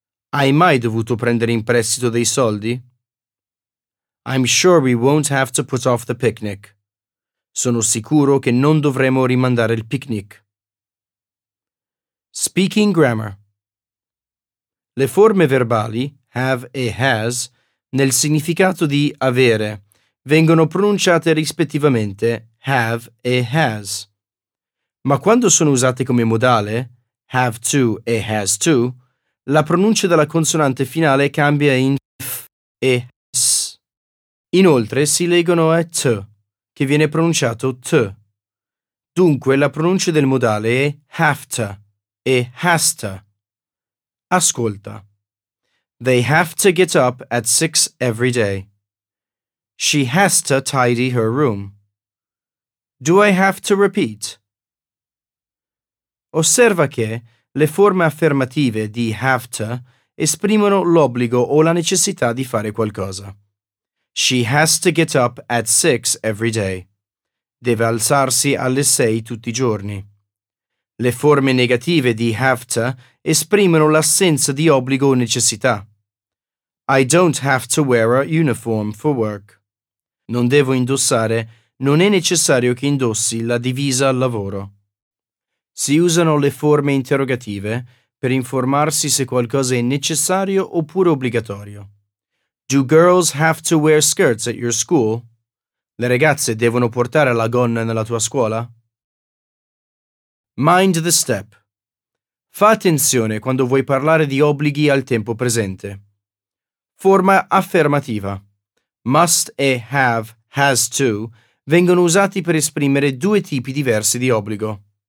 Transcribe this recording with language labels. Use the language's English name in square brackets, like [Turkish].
[Italian] Hai mai dovuto prendere in prestito dei soldi? [English] I'm sure we won't have to put off the picnic. [Italian] Sono sicuro che non dovremo rimandare il picnic. [English] Speaking grammar. [Italian] Le forme verbali have e has nel significato di avere vengono pronunciate rispettivamente have e has. Ma quando sono usate come modale, have to e has to, la pronuncia della consonante finale cambia in f e s. Inoltre si legano a t, che viene pronunciato t. Dunque la pronuncia del modale è have to e has to. Ascolta. [English] They have to get up at 6 every day. She has to tidy her room. Do I have to repeat? [Italian] Osserva che le forme affermative di have to esprimono l'obbligo o la necessità di fare qualcosa. [English] She has to get up at 6 every day. [Italian] Deve alzarsi alle 6 tutti i giorni. Le forme negative di have to esprimono l'assenza di obbligo o necessità. [English] I don't have to wear a uniform for work. [Italian] Non devo indossare, non è necessario che indossi la divisa al lavoro. Si usano le forme interrogative per informarsi se qualcosa è necessario oppure obbligatorio. [English] Do girls have to wear skirts at your school? [Italian] Le ragazze devono portare la gonna nella tua scuola? [English] Mind the step. [Italian] Fa attenzione quando vuoi parlare di obblighi al tempo presente. Forma affermativa. Must e have, has to, vengono usati per esprimere due tipi diversi di obbligo.